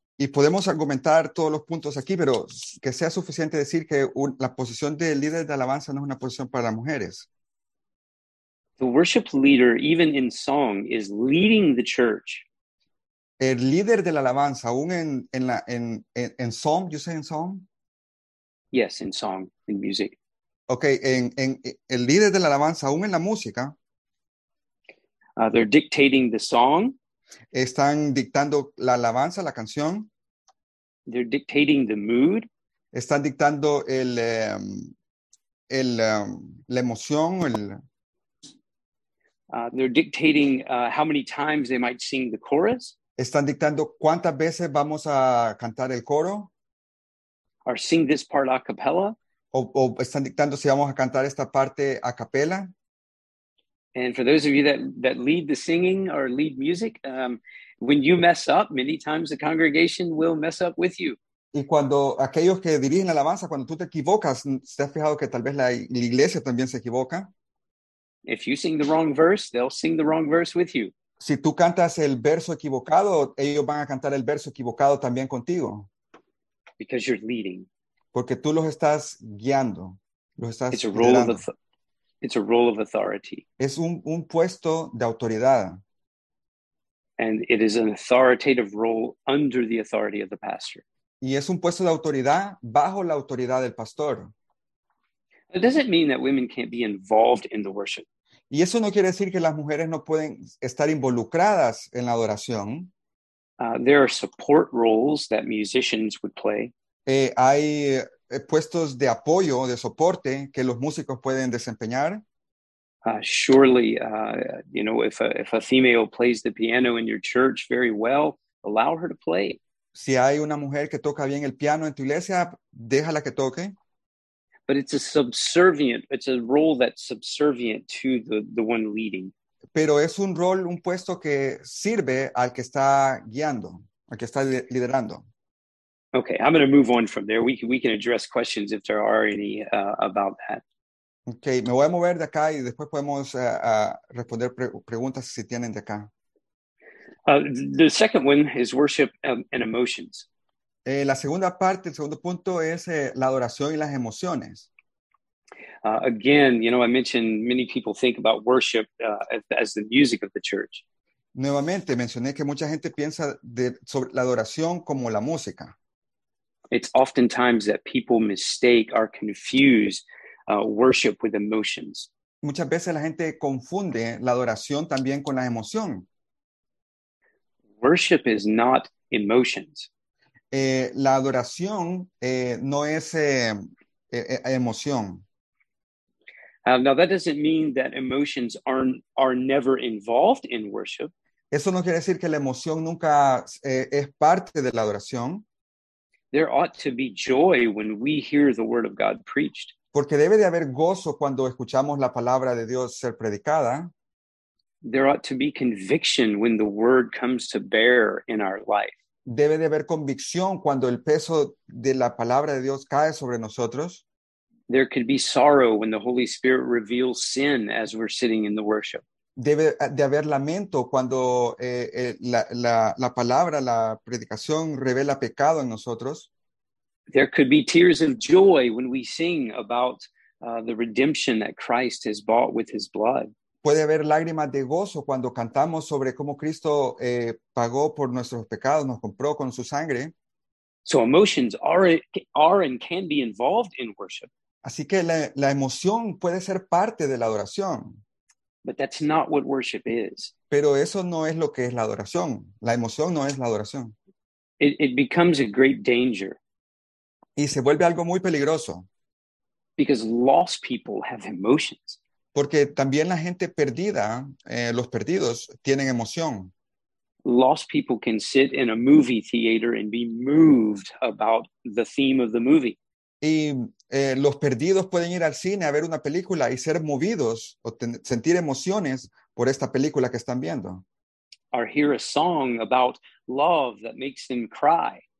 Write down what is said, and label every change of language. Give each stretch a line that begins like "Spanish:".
Spanish: Y podemos argumentar todos los puntos aquí, pero que sea suficiente decir que la posición de líder de alabanza no es una posición para mujeres.
English: The worship leader, even in song, is leading the church.
Spanish: El líder de la alabanza, aún en
English: song, you say in song? Yes, in song, in music.
Spanish: Okay, en el líder de la alabanza, aún en la música.
English: They're dictating the song.
Spanish: Están dictando la alabanza, la canción.
English: They're dictating the mood.
Spanish: Están dictando la emoción.
English: They're dictating how many times they might sing the chorus.
Spanish: Están dictando cuántas veces vamos a cantar el coro.
English: Or sing this part a cappella.
Spanish: O están dictando si vamos a cantar esta parte a capela.
English: And for those of you that lead the singing or lead music, when you mess up, many times the congregation will mess up with you.
Spanish: Y cuando aquellos que dirigen la alabanza, cuando tú te equivocas, ¿te has fijado que tal vez la iglesia también se equivoca?
English: If you sing the wrong verse, they'll sing the wrong verse with you.
Spanish: Si tú cantas el verso equivocado, ellos van a cantar el verso equivocado también contigo.
English: Because you're leading.
Spanish: Porque tú los estás guiando, los estás liderando.
English: It's a role of authority.
Spanish: Es un puesto de autoridad.
English: And it is an authoritative role under the authority of the pastor.
Spanish: Y es un puesto de autoridad bajo la autoridad del pastor.
English: It doesn't mean that women can't be involved in the worship.
Spanish: Y eso no quiere decir que las mujeres no pueden estar involucradas en la adoración.
English: There are support roles that musicians would play.
Spanish: Hay puestos de apoyo, de soporte que los músicos pueden desempeñar.
English: Surely, you know, if a female plays the piano in your church very well, allow her to play.
Spanish: Si hay una mujer que toca bien el piano en tu iglesia, déjala que toque.
English: But it's a role that's subservient to the one leading.
Spanish: pero es un rol, un puesto que sirve al que está guiando, al que está liderando.
English: Okay, I'm going to move on from there. We can address questions if there are any about that.
Spanish: Okay, me voy a mover de acá y después podemos responder preguntas si tienen de acá.
English: The second one is worship and emotions.
Spanish: La segunda parte, el segundo punto es la adoración y las emociones.
English: Again, you know, I mentioned many people think about worship as the music of the church.
Spanish: Nuevamente mencioné que mucha gente piensa sobre la adoración como la música.
English: It's oftentimes that people mistake or confuse worship with emotions.
Spanish: Muchas veces la gente confunde la adoración también con la emoción.
English: Worship is not emotions.
Spanish: La adoración no es emoción.
English: Now that doesn't mean that emotions are never involved in worship.
Spanish: Eso no quiere decir que la emoción nunca es parte de la adoración.
English: There ought to be joy when we hear the word of God preached.
Spanish: Porque debe de haber gozo cuando escuchamos la palabra de Dios ser predicada.
English: There ought to be conviction when the word comes to bear in our life.
Spanish: Debe de haber convicción cuando el peso de la palabra de Dios cae sobre nosotros.
English: There could be sorrow when the Holy Spirit reveals sin as we're sitting in the worship.
Spanish: Debe de haber lamento cuando la palabra, la predicación revela pecado en nosotros.
English: There could be tears of joy when we sing about the redemption that Christ has bought with his blood.
Spanish: Puede haber lágrimas de gozo cuando cantamos sobre cómo Cristo pagó por nuestros pecados, nos compró con su sangre.
English: So emotions are and can be involved in worship.
Spanish: Así que la emoción puede ser parte de la adoración.
English: But that's not what worship is.
Spanish: Pero eso no es lo que es la adoración. La emoción no es la adoración.
English: It becomes a great danger.
Spanish: Y se vuelve algo muy peligroso.
English: Because lost people have emotions.
Spanish: Porque también la gente perdida, los perdidos, tienen emoción.
English: Lost people can sit in a movie theater and be moved about the theme of the movie.
Spanish: Y los perdidos pueden ir al cine a ver una película y ser movidos o sentir emociones por esta película que están viendo.
English: Or hear a song about love that makes them cry.